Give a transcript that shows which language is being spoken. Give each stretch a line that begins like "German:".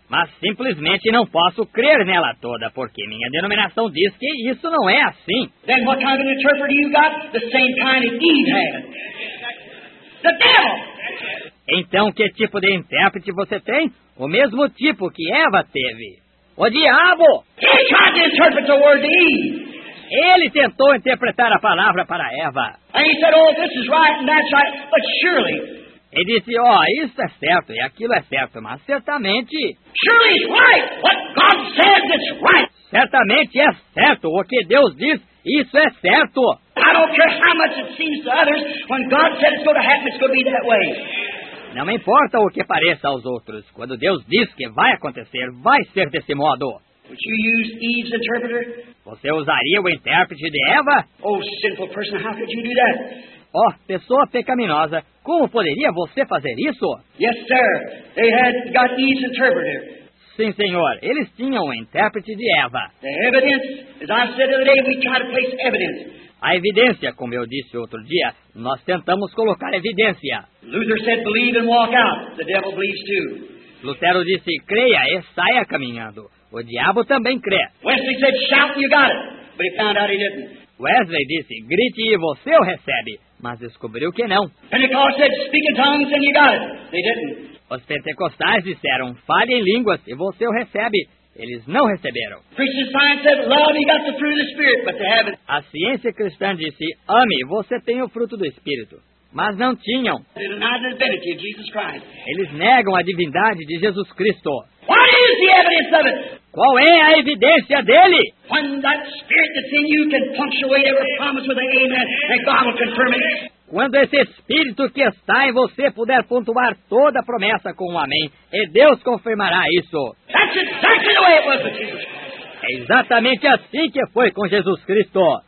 Portuguese: Mas simplesmente não posso crer nela toda, porque minha denominação diz que isso não é assim.
English: Then what kind of an interpreter you got? The same kind of Eve had. The devil.
Portuguese: Então, que tipo de intérprete você tem? O mesmo tipo que Eva teve. O diabo!
English: He tried to interpret the word to Eve.
Portuguese: Ele tentou interpretar a palavra para Eva.
English: And he said, oh, this is right and that's right, but surely.
Portuguese: Ele disse, oh, isso é certo e aquilo é certo, mas certamente...
English: Surely it's right. What God says is right.
Portuguese: Certamente é certo o que Deus diz. Isso é certo.
English: I don't care how much it seems to others, when God said it's going to happen, it's going to be that way.
Portuguese: Não importa o que pareça aos outros. Quando Deus diz que vai acontecer, vai ser desse modo.
English: Would you use Eve's interpreter?
Portuguese: Você usaria o intérprete de Eva?
English: Oh, sinful person, how could you do that?
Portuguese: Oh, pessoa pecaminosa, como poderia você fazer isso?
English: Yes, sir. They had got Eve's interpreter.
Portuguese: Sim, senhor. Eles tinham o intérprete de Eva.
English: The evidence, as I said the other day, we try to place evidence.
Portuguese: A evidência, como eu disse outro dia, nós tentamos colocar evidência.
English: Luther said, believe and walk out. The devil believes too.
Portuguese: Lutero disse, creia e saia caminhando. O diabo também crê.
English: Wesley said, shout and you got it. But he found out he didn't.
Portuguese: Wesley disse, grite e você o recebe. Mas descobriu que não.
English: Pentecostals said, speak in tongues and you got it. They didn't.
Portuguese: Os pentecostais disseram, fale em línguas e você o recebe. Eles não receberam.
English: Christian Science said, love, you got the fruit of the Spirit, but they haven't.
Portuguese: A ciência cristã disse, ame, você tem o fruto do Espírito. Mas não tinham.
English: They deny the divinity of Jesus Christ.
Portuguese: Eles negam a divindade de Jesus Cristo.
English: What is the evidence of it?
Portuguese: Qual é a evidência dele?
English: When that Spirit that's in you can punctuate every promise with an amen, and God will confirm it.
Portuguese: Quando esse Espírito que está em você puder pontuar toda a promessa com um amém, e Deus confirmará isso.
English: That's exactly the way it was with Jesus.
Portuguese: É exatamente assim que foi com Jesus Cristo.